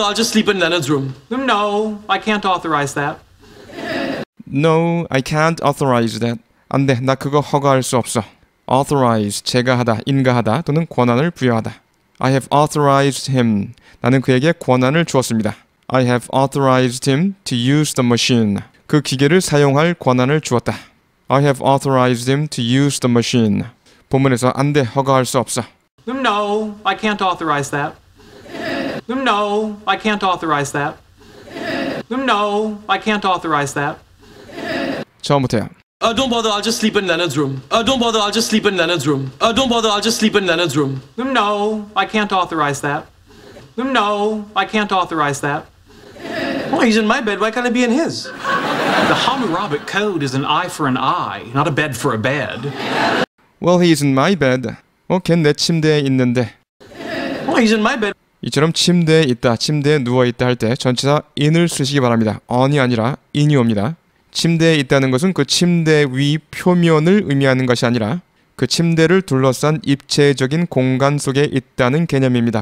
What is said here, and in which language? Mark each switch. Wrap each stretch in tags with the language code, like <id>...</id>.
<en>I'll just sleep in Leonard's room. No, I can't authorize that. No, I can't authorize that.</en> <ko>안 돼, 나 그거 허가할 수 없어. Authorize, 제가 하다, 인가하다 또는 권한을 부여하다.</ko> <en>I have authorized him.</en> <ko>나는 그에게 권한을 주었습니다.</ko> <en>I have authorized him to use the machine.</en> <ko>그 기계를 사용할 권한을 주었다.</ko> <en>I have authorized him to use the machine.</en> <ko>본문에서 안 돼, 허가할 수 없어.</ko> <en>No, I can't authorize that. No, I can't authorize that. No, I can't authorize that.</en> <ko>처음부터요.</ko> <en>Don't bother. I'll just sleep in Leonard's room. Don't bother. I'll just sleep in Leonard's room. Don't bother. I'll just sleep in Leonard's room. No, I can't authorize that. No, I can't authorize that. Well, he's in my bed. Why can't I be in his? The Hammurabi code is an eye for an eye, not a bed for a bed. Well, he's in my bed.</en> <ko>어, 걘 내 침대에 있는데.</ko> <en>Oh, he's in my bed.</en> <ko>이처럼 침대에 있다, 침대에 누워있다 할 때 전치사 in을 쓰시기 바랍니다. on이 아니라 in이 옵니다. 침대에 있다는 것은 그 침대 위 표면을 의미하는 것이 아니라 그 침대를 둘러싼 입체적인 공간 속에 있다는 개념입니다.</ko>